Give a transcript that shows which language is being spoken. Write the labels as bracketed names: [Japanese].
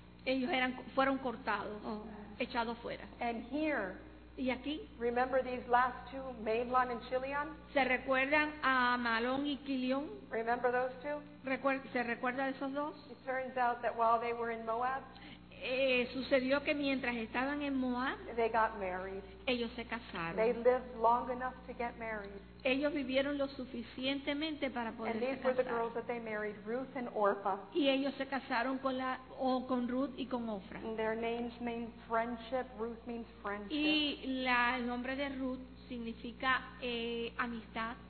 [Spanish] Ellos eran fueron cortados, echados fuera. [English] And here, [Spanish] y aquí, [English] remember these last two, Mahlon and Chilion? [Spanish] ¿Se recuerdan a Mahlon y Chilion? [English] Remember those two? [Spanish] ¿Se recuerda a esos dos? [English] It turns out that while they were in Moab, [Spanish] sucedió que mientras estaban en Moab, [English] they got married. [Spanish] Ellos se casaron. [English] They lived long enough to get married. [Spanish] Ellos vivieron lo suficientemente para poder casarse. [English] And these were the girls that they married, Ruth and Orpah. [Spanish] Y ellos se casaron con con Ruth y con Orpah. [English] Their names mean friendship. Ruth means friendship. [Spanish] Y el nombre de Ruth significa amistad.